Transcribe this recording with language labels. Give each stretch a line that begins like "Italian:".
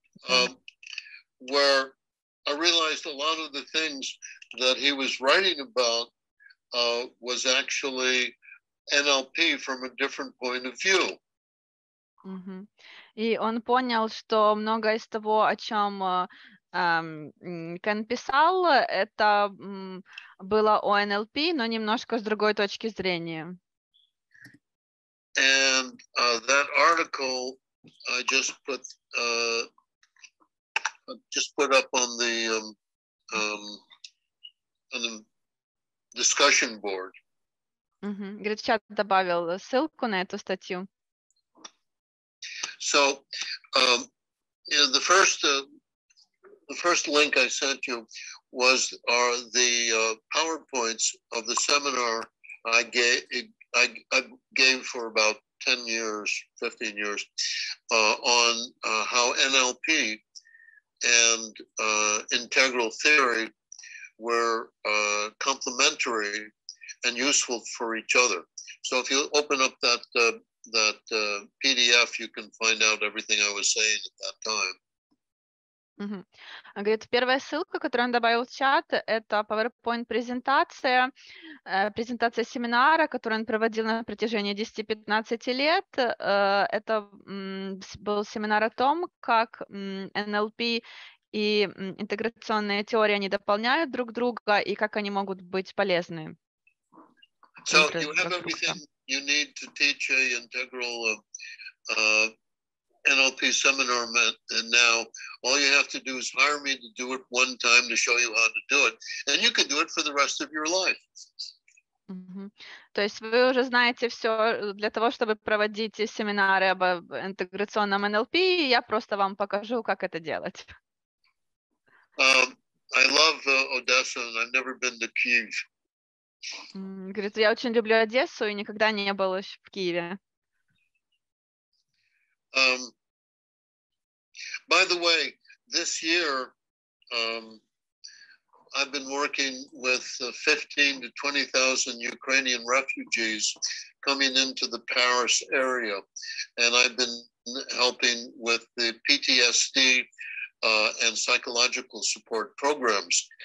English: And, where I realized a lot of the things that he was writing about was actually NLP from a different point of view. Mm-hmm.
Russian: И он понял, что многое из того, о чем Кен писал, это было о NLP, но немножко с другой точки зрения.
English: And that article I just put up on the on the discussion board.
Russian: Говорит, чат добавил ссылку на эту статью.
English: So, the first link I sent you was PowerPoints of the seminar I gave for about 10 years, 15 years, on how NLP and integral theory were complementary and useful for each other. So if you open up that that PDF, you can find out everything I was saying at that time. Угу.
Russian: Говорит, первая ссылка, которую он добавил в чат, это PowerPoint-презентация, презентация семинара, которую он проводил на протяжении 10-15 лет. Это был семинар о том, как NLP и интеграционные теории, они дополняют друг друга, и как они могут быть полезны.
English: So, you have everything you need to teach an integral NLP seminar, and now all you have to do is hire me to do it one time to show you how to do it, and you can do it for the rest of your life.
Russian: То есть вы уже знаете все для того, чтобы проводить семинары об интеграционном NLP, и я просто вам покажу, как это делать.
English: I love Odessa, and I've never been to Kyiv.
Russian: Говорит, я очень люблю Одессу и никогда не был еще в Киеве.
English: By the way, this year I've been working with 15 to 20,000 Ukrainian refugees coming into the Paris area, and I've been helping with the PTSD and psychological support programs.